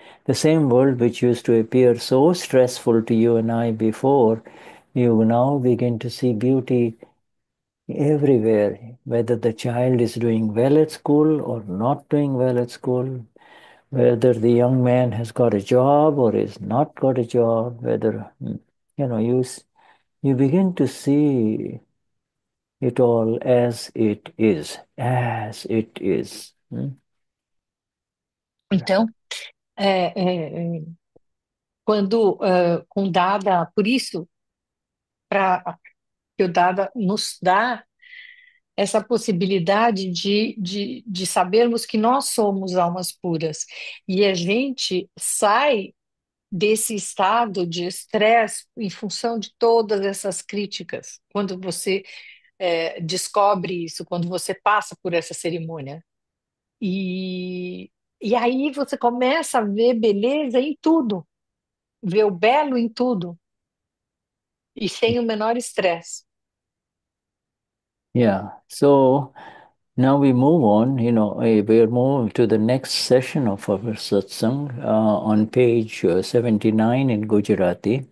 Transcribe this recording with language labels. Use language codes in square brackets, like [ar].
[en] The same world which used to appear so stressful to you and I before, you now begin to see beauty everywhere, whether the child is doing well at school or not doing well at school, whether the young man has got a job or is not got a job, whether you begin to see it all as it is, as it is. [pt] Então, quando com Dada, por isso, para que o Dada nos dá essa possibilidade de sabermos que nós somos almas puras e a gente sai desse estado de estresse em função de todas essas críticas, quando você descobre isso, quando você passa por essa cerimônia. E aí você começa a ver beleza em tudo, ver o belo em tudo, e sem o menor estresse. [en] So now we move on. We're moving to the next session of our satsang on page 79 in Gujarati.